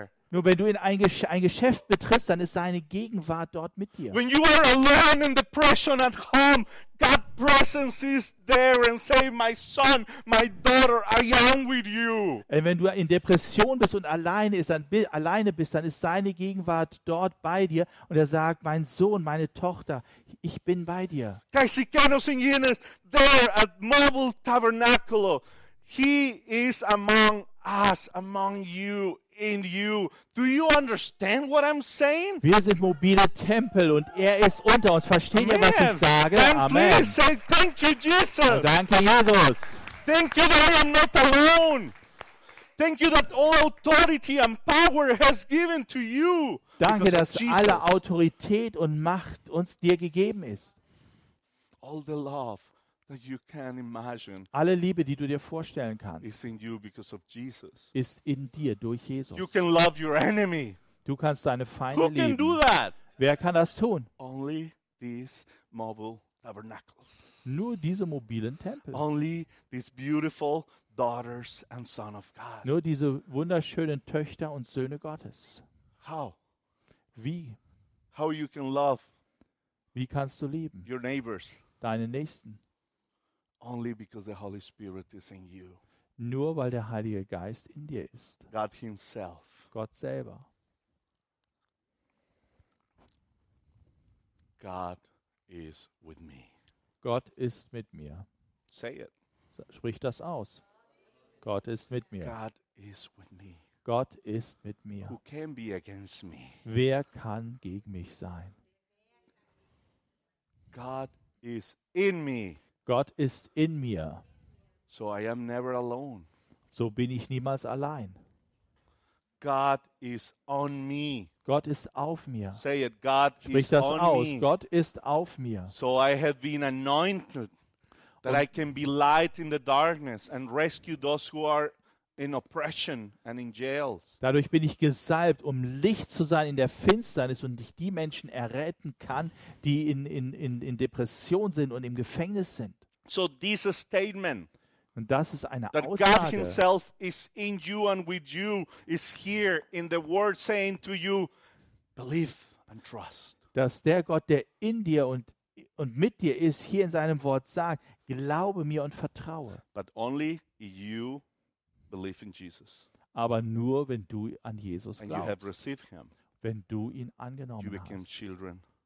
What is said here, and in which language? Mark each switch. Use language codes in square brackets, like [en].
[de] nur wenn du in ein Geschäft betrittst, dann ist seine Gegenwart dort mit dir. [en] When you are alone in depression at home, God's presence is there and say, my son, my daughter, I am with you. [de] Und wenn du in Depression bist und alleine bist, dann ist seine Gegenwart dort bei dir und er sagt, mein Sohn, meine Tochter, ich bin bei dir. Kaisikenos in Yenes, there at Mobile Tabernacle, [en] He is among us, among you, in you. Do you understand what I'm saying? [de] Wir sind mobile Tempel und er ist unter uns. Versteht ihr, was ich sage? [en] Then Amen. Please say thank you, Jesus. [de] Danke, Jesus. [en] Thank you that I am not alone. Thank you that all authority and power has given to you. [de] Danke, dass alle Autorität und Macht uns dir gegeben ist. [en] All the love that you can imagine. [de] Alle Liebe, die du dir vorstellen kannst. [en] Is in you because of Jesus. [de] Ist in dir durch Jesus. [en] You can love your enemy. [de] Du kannst deine Feinde [en] Who [de] lieben. [en] Can do that? [de] Wer kann das tun? [en] Only these mobile tabernacles. [de] Nur diese mobilen Tempel. [en] Only these beautiful daughters and sons of God. [de] Nur diese wunderschönen Töchter und Söhne Gottes. [en] How? [de] Wie? [en] How you can love? [de] Wie kannst du lieben? [en] Your neighbors. [de] Deine Nächsten. [en] Only because the Holy Spirit is in you. [de] Nur weil der Heilige Geist in dir ist. [en] God himself. [de] Gott selber. [en] God is with me. [de] Gott ist mit mir. [en] Say it. [de] Sprich das aus. Gott ist mit mir. [en] God is with me. [de] Gott ist mit mir. [en] Who can be against me? [de] Wer kann gegen mich sein? [en] God is in me. [de] Gott ist in mir. [en] So I am never alone. [de] So bin ich niemals allein. [en] God is on me. [de] Gott ist auf mir. [en] Say it, God [de] Sprich [en] is [de] das [en] on [de] aus. [en] Me. [de] Gott ist auf mir. [en] So I have been anointed that I can be light in the darkness and rescue those who are in oppression and in jails. [de] Dadurch bin ich gesalbt, um Licht zu sein in der Finsternis und ich die Menschen erretten kann, die in Depression sind und im Gefängnis sind. [en] So this statement. [de] Und das ist eine [en] that [de] Aussage. [en] God himself is in you and with you is here in the word saying to you believe and trust. [de] Dass der Gott, der in dir und mit dir ist, hier in seinem Wort sagt, glaube mir und vertraue. [en] But only you believe in Jesus. [de] Aber nur wenn du an Jesus [en] and [de] glaubst. [en] You have received him, [de] wenn du ihn angenommen [en] you became [de] hast. [en] Children.